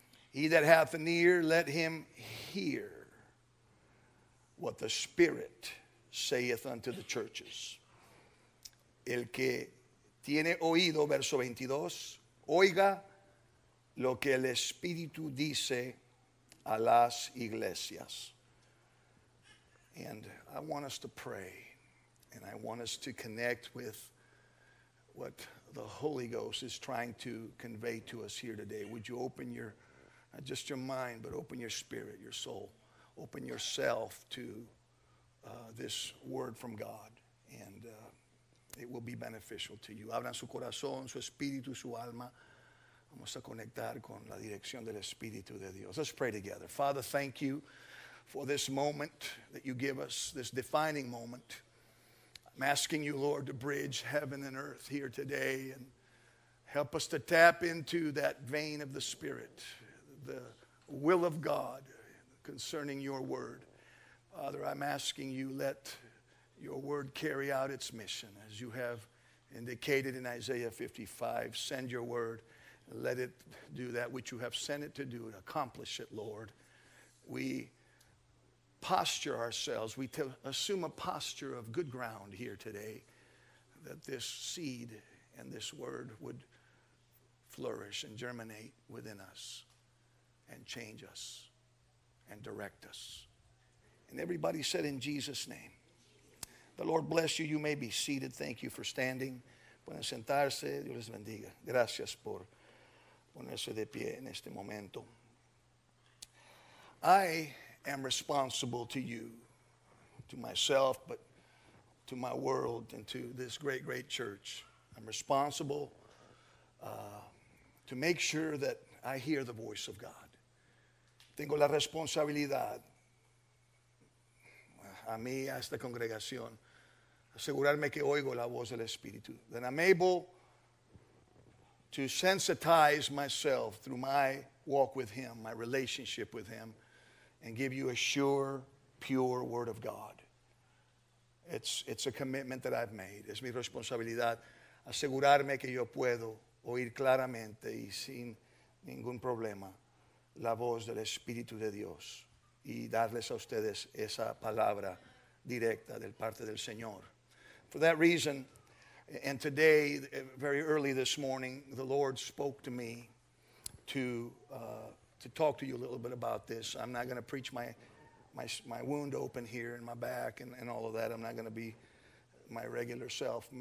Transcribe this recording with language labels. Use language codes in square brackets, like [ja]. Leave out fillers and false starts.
[en] He that hath an ear, let him hear what the Spirit saith unto the churches. [es] El que tiene oído, verso 22, oiga lo que el Espíritu dice a las iglesias. [en] And I want us to pray, and I want us to connect with what the Holy Ghost is trying to convey to us here today. Would you open your, not just your mind, but open your spirit, your soul. Open yourself to this word from God, and it will be beneficial to you. [es] Abran su corazón, su espíritu, su alma. Vamos a conectar con la dirección del Espíritu de Dios. [en] Let's pray together. Father, thank you for this moment that you give us, this defining moment. I'm asking you, Lord, to bridge heaven and earth here today and help us to tap into that vein of the Spirit, the will of God concerning your word. Father, I'm asking you, let your word carry out its mission as you have indicated in Isaiah 55. Send your word, let it do that which you have sent it to do, and accomplish it, Lord. We posture ourselves, we assume a posture of good ground here today, that this seed and this word would flourish and germinate within us and change us and direct us. And everybody said in Jesus' name, the Lord bless you. You may be seated. Thank you for standing. [es] Pueden sentarse. Dios les bendiga. Gracias por ponerse de pie en este momento. [en] I am responsible to you, to myself, but to my world and to this great, great church. I'm responsible to make sure that I hear the voice of God. [es] Tengo la responsabilidad a mí, a esta congregación, asegurarme que oigo la voz del Espíritu. [en] That I'm able to sensitize myself through my walk with Him, my relationship with Him, and give you a sure, pure word of God. It's a commitment that I've made. [es] Es mi responsabilidad asegurarme que yo puedo oír claramente y sin ningún problema la voz del Espíritu de Dios y darles a ustedes esa palabra directa del parte del Señor. [en] For that reason, and today, very early this morning, the Lord spoke to me to talk to you a little bit about this. I'm not going to preach my wound open here in my back and all of that. I'm not going to be my regular self.